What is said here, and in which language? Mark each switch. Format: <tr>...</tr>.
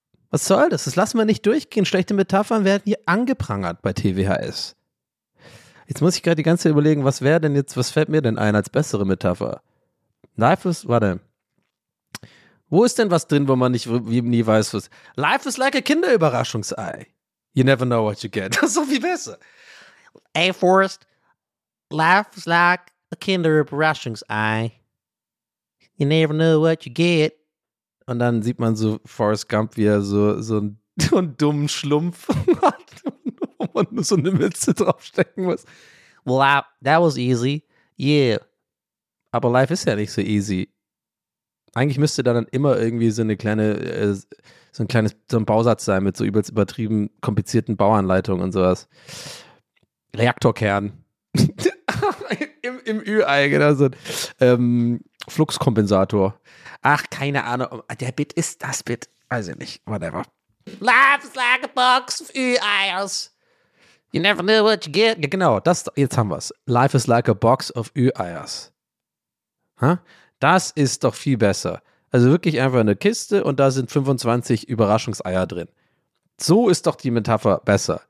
<de>Was soll das? Das lassen wir nicht durchgehen. Schlechte Metaphern werden hier angeprangert bei TWHS. Jetzt muss ich gerade die ganze Zeit überlegen, was wäre denn jetzt, was fällt mir denn ein als bessere Metapher?</de> <en>Life is,</en> <de>warte. Wo ist denn was drin, wo man nicht, wie nie weiß, was?</de> <en>Life is like a Kinderüberraschungsei. You never know what you get.</en> <de>Das ist so viel besser.</de> <en>Hey, Forrest, life is like a Kinderüberraschungsei. You never know what you get.</en> <de>Und dann sieht man so Forrest Gump, wie er so einen dummen Schlumpf hat, wo man nur so eine Mütze draufstecken muss.</de> <en>Well, that was easy. Yeah.</en> <de>Aber life ist ja nicht so easy. Eigentlich müsste da dann immer irgendwie so eine kleine, so ein kleines, so ein Bausatz sein mit so übelst übertrieben komplizierten Bauanleitungen und sowas. Reaktorkern. Im Ü-Ei, genau so. Fluxkompensator. Ach, keine Ahnung. Der Bit ist das Bit. Weiß ich nicht. Whatever.</de> <en>Life's like a box of Ü-Eiers. You never know what you get.</en> <de>Ja, genau, das, jetzt haben wir's.</de> <en>Life is like a box of Ü-Eiers. Hä?</en> <de>Das ist doch viel besser. Also wirklich einfach eine Kiste und da sind 25 Überraschungseier drin. So ist doch die Metapher besser.</de>